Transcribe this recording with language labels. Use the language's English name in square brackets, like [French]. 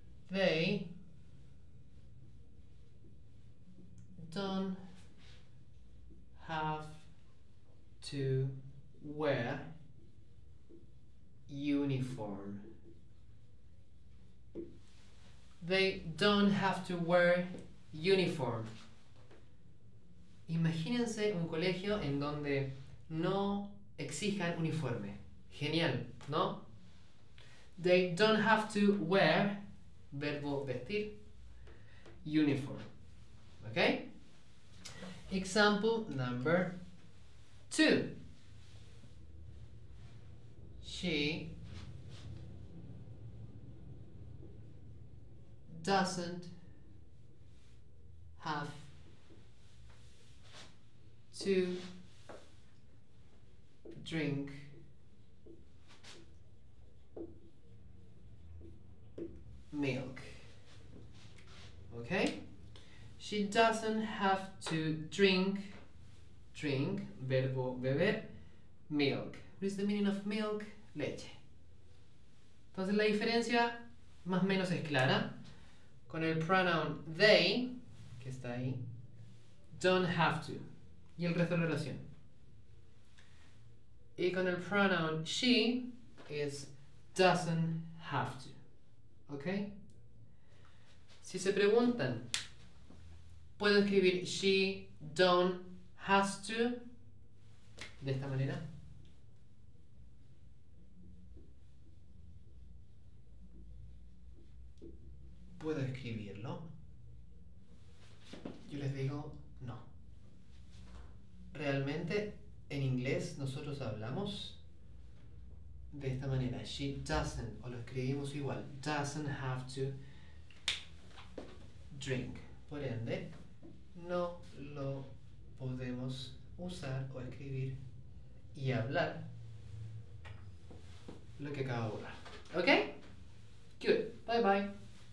[English] They don't have to wear uniform. They don't have to wear uniform. [Spanish] Imagínense un colegio en donde no exijan uniforme. Genial, ¿no? [English] They don't have to wear, [Spanish] verbo vestir, [English] uniform. Okay? Example number two. She doesn't have to drink milk. Okay? She doesn't have to drink, [Spanish] verbo beber, [English] milk. What is the meaning of milk? [Spanish] Leche. Entonces la diferencia más o menos es clara. Con el pronoun they, que está ahí, [English] Don't have to. [Spanish] Y el resto de la oración. Y con el pronoun she es [English] doesn't have to. [Spanish] ¿Ok? Si se preguntan, ¿puedo escribir [English] she don't has to? [Spanish] De esta manera. ¿Puedo escribirlo? Yo les digo no. Realmente en inglés nosotros hablamos de esta manera. [English] She doesn't, [Spanish] o lo escribimos igual, [English] doesn't have to drink. [Spanish] Por ende, no lo podemos usar o escribir y hablar lo que acabo de borrar. ¿Ok? [English] Good. Bye bye.